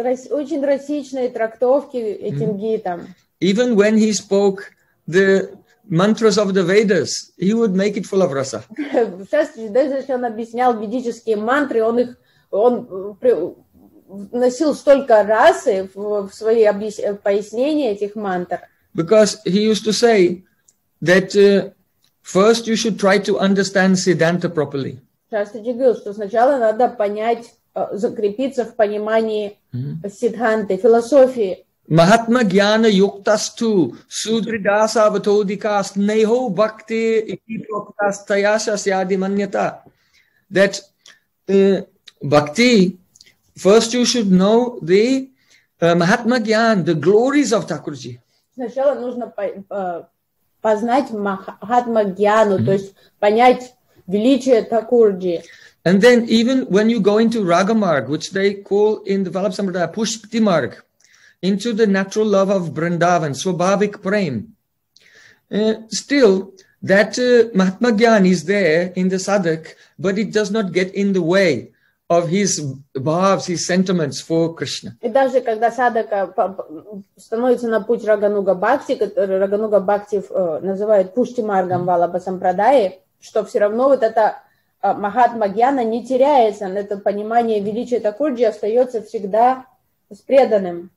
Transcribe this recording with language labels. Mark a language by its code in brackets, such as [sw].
[ru] Очень расичные трактовки этим гитам. [en] Even when he spoke the mantras of the Vedas, he would make it full of rasa. [ru] Шастриджи, даже если он объяснял ведические мантры, он носил столько расы в свои пояснения этих мантр. [en] Because he used to say that first you should try to understand Siddhanta properly. [ru] Шастриджи говорил, что сначала надо понять, закрепиться в понимании Сиддханты, философии. [sa] Mahatma Gyana Yuktastu Sudridasa Vatodikas Neho Bhakti Ikiproktas Tayasa Syadi Manyata. [en] That bhakti, first you should know the Mahatma Gyan, the glories of Thakurji. [ru] Сначала нужно познать Mahatma Gyanu, то есть понять величие Thakurji. [en] And then even when you go into Ragamarg, which they call in the Vallabh Sampradaya Pushpati Marg, into the natural love of Vrindavan, Swabhavik Prem, still that Mahatma Gyan is there in the sadhak, but it does not get in the way of his bhavs, his sentiments for Krishna. [ru] И даже когда садака становится на путь Рагануга Бхакти, который Рагануга Бхакти называет Пушти Маргам Валаба Сампрадаи, что все равно вот это Махатма Гьяна не теряется, это понимание величия Такурджи остается всегда с преданным.